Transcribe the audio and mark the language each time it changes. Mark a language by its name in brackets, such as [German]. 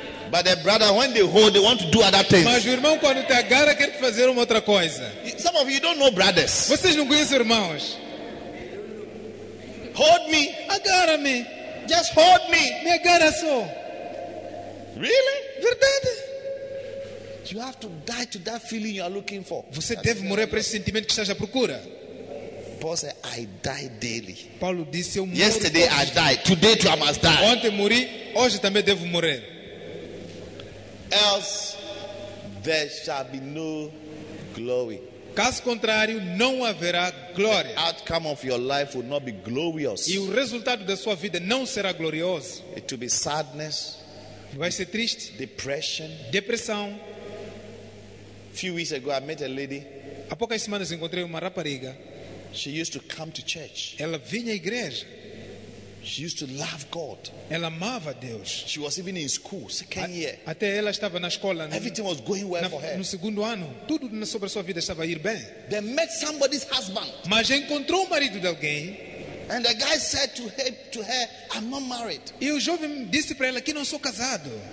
[English] But the brother, when they hold, they want to do other things. [Portuguese] Mas o irmão, quando te agarra, quer fazer uma outra coisa. [English] Some of you don't know brothers. [Portuguese] Vocês não conhecem irmãos. [English] Hold me. [Portuguese] Agarra-me. [English] Just hold me. [Portuguese] Me agarra só. [English] Really? [Portuguese] Verdade. [English] You have to die to that feeling you are looking for. [Portuguese] Você deve morrer para esse sentimento que estás à procura. [English] Paul said, I die daily. [Portuguese] Paulo disse, eu moro. [English] Yesterday I died. Today too I must die. [Portuguese] Ontem morri, hoje também devo morrer. [English] Else there shall be no glory. [Portuguese] Caso contrário, não haverá glória. [English] The outcome of your life will not be glorious. [Portuguese] E o resultado da sua vida não será glorioso. [English] It will be sadness. [Portuguese] Vai ser triste. [English] Depression. [Portuguese] Depressão. [English] Few weeks ago, I met a lady. [Portuguese] Há poucas semanas encontrei uma rapariga. [English] She used to come to church. [Portuguese] Ela vinha à igreja. [English] She used to love God. [Portuguese] Ela amava Deus. [English] She was even in school, second year. [Portuguese] Até ela estava na escola. [English] Everything was going well for her. [Portuguese] No segundo ano, tudo sobre a sua vida estava a ir bem. [English] They met somebody's husband. [Portuguese] Mas encontrou o marido de alguém. [English] And the guy said to her, I'm not married. [Portuguese] E o jovem disse para ela que não sou casado.